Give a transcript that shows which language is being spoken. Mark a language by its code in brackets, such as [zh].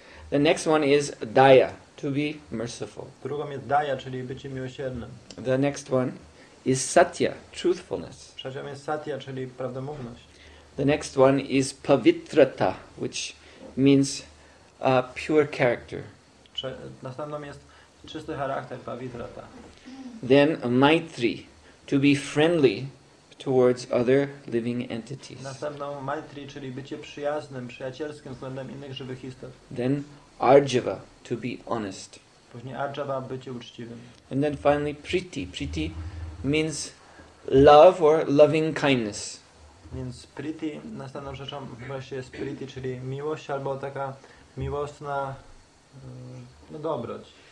[en] The next one is daya, to be merciful. [pl] Drugą jest daya, czyli bycie miłosiernym. [en] The next one is satya, truthfulness. [pl] Trzecią jest satya, czyli prawdomówność. [en] The next one is pavitrata, which means a pure character. [pl] Następną jest czysty charakter, pavitrata. [en] Then maitri, to be friendly towards other living entities. [pl] Następną maitri, czyli bycie przyjaznym, przyjacielskim względem innych żywych istot. [en] Then arjava, to be honest. [pl] Później arjava, bycie uczciwym. [en] And then finally priti. Priti means love or loving kindness. [pl] Więc priti, następną rzeczą właśnie jest priti, czyli miłość albo taka miłosna dobroć.